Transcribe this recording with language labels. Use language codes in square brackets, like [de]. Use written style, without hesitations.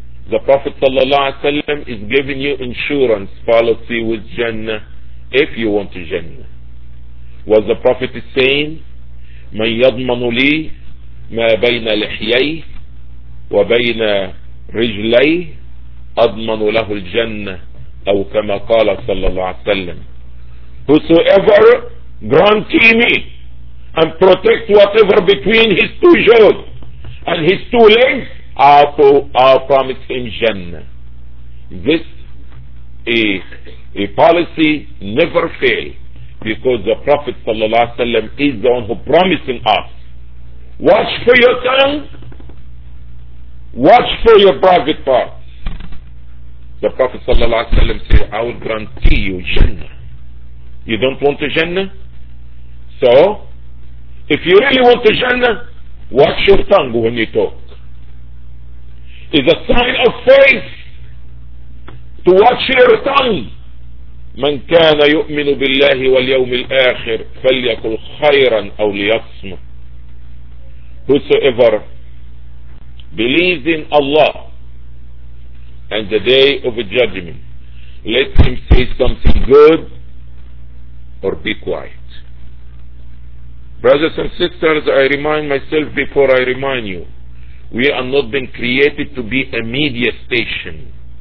[en] The Prophet صلى الله عليه وسلم is giving you insurance policy with Jannah if you want Jannah. What the Prophet is saying, [ar] من يضمن لي ما بين لحيي وبين رجلي أضمن له الجنة أو كما قال صلى الله عليه وسلم, [en] whosoever grantee me and protect whatever between his two jaws and his two legs, Allah promised him Jannah. This a policy never fail, because the Prophet sallallahu alaihi wasallam is the one who promising us. Watch for your tongue, watch for your private parts. The Prophet sallallahu alaihi wasallam said, I will guarantee you Jannah. You don't want a Jannah? So if you really want a Jannah, watch your tongue when you talk. It's a sign of faith to watch your tongue. [ar] من كان يؤمن بالله واليوم الآخر فليقل خيرا أو ليصمت. [en] Whosoever believes in Allah and the day of judgment, let him say something good or be quiet. Brothers and sisters, I remind myself before I remind you, we are not being created to be a media station.